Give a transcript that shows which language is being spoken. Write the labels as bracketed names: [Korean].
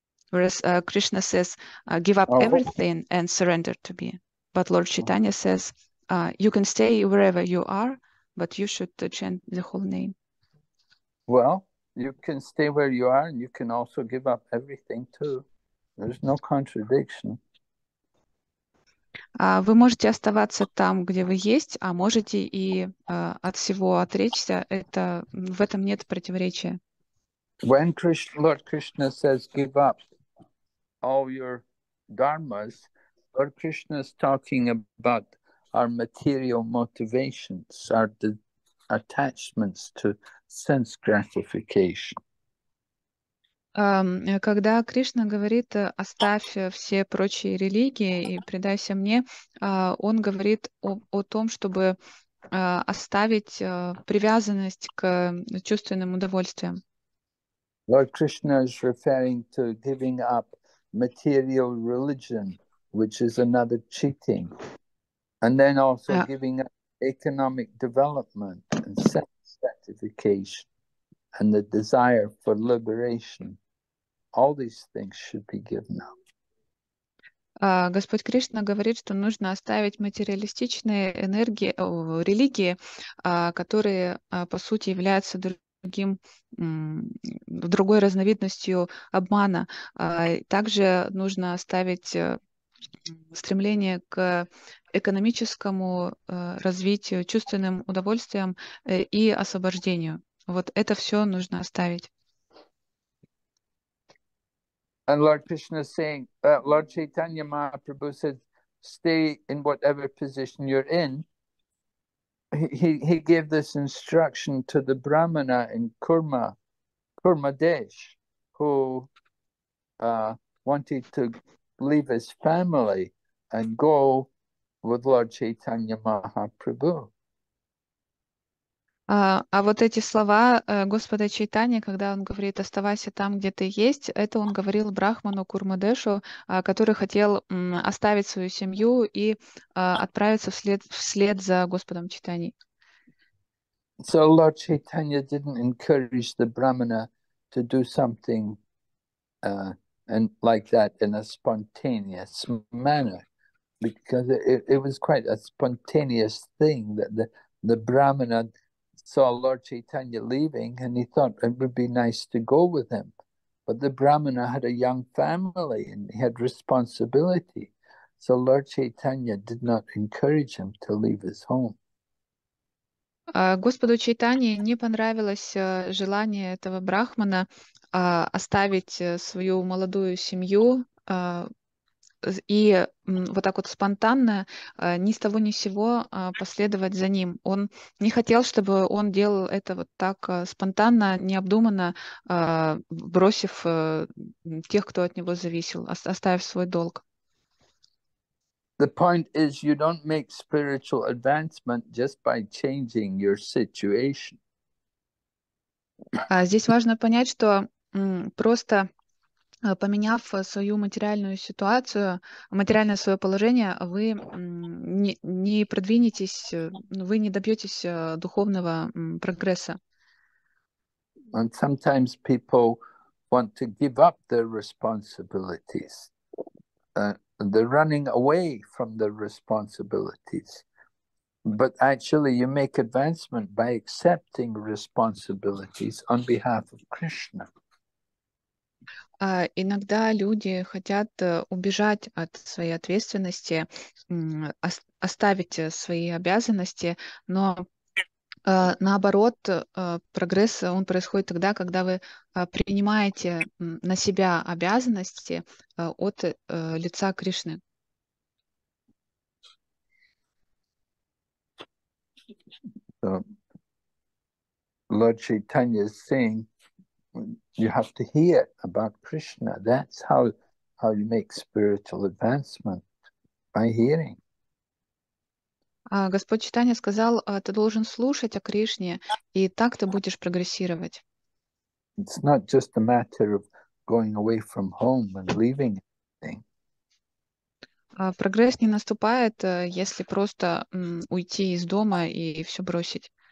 [English] Whereas Krishna says, give up everything and surrender to me. But Lord Chaitanya says, you can stay wherever you are, but you should chant the whole name. Well, you can stay where you are and you can also give up everything too. There's no contradiction. [Russian] Вы можете оставаться там, где вы есть, а можете и от всего отречься. Это, в этом нет противоречия. [English] When Lord Krishna says, give up all your dharmas, Lord Krishna is talking about our material motivations, our attachments to sense gratification. [Russian] Когда Кришна говорит, оставь все прочие религии и предайся мне, он говорит о том, чтобы оставить привязанность к чувственным удовольствиям. [English] Lord Krishna is referring to giving up material religion, which is another cheating, and then also giving up economic development and sense gratification and the desire for liberation. All these things should be given up. [Russian] Господь Кришна говорит, что нужно оставить материалистичные энергии, религии, которые, по сути, являются другим, другой разновидностью обмана. Также нужно оставить стремление к экономическому развитию, чувственным удовольствиям и освобождению. Вот это все нужно оставить. [English] And Lord Krishna is saying, Lord Chaitanya Mahaprabhu says, stay in whatever position you're in. He gave this instruction to the Brahmana in Kurmadesh, who wanted to leave his family and go with Lord Chaitanya Mahaprabhu. [Russian] А вот эти слова Господа Чайтанья, когда он говорит «оставайся там, где ты есть», это он говорил Брахману Курмадешу, который хотел оставить свою семью и отправиться вслед за Господом Чайтаньей. [English] So Lord Chaitanya didn't encourage the Brahmana to do something and like that in a spontaneous manner, because it was quite a spontaneous thing that the Brahmana saw Lord Chaitanya leaving, and he thought it would be nice to go with him. But the Brahmana had a young family, and he had responsibility. So Lord Chaitanya did not encourage him to leave his home. [Russian] Господу Чайтанье не понравилось желание этого брахмана оставить свою молодую семью и вот так вот спонтанно, ни с того ни с сего, последовать за ним. Он не хотел, чтобы он делал это вот так спонтанно, необдуманно, бросив тех, кто от него зависел, оставив свой долг. [English] The point is, you don't make spiritual advancement just by changing your situation. [Russian] Здесь важно понять, что просто поменяв свою материальную ситуацию, материальное свое положение, вы не продвинетесь, вы не добьетесь духовного прогресса. [English] And sometimes people want to give up their responsibilities. They're running away from their responsibilities. But actually, you make advancement by accepting responsibilities on behalf of Krishna. [Russian] Иногда люди хотят убежать от своей ответственности, оставить свои обязанности, но наоборот, прогресс он происходит тогда, когда вы принимаете на себя обязанности от лица Кришны. [English] Lord Chaitanya is saying you have to hear about Krishna. That's how you make spiritual advancement, by hearing. [Russian] Господь Чайтанья сказал, ты должен слушать о Кришне, и так ты будешь прогрессировать. [English] It's not just a matter of going away from home and leaving anything. [Russian] Прогресс не наступает, если просто уйти из дома и все бросить.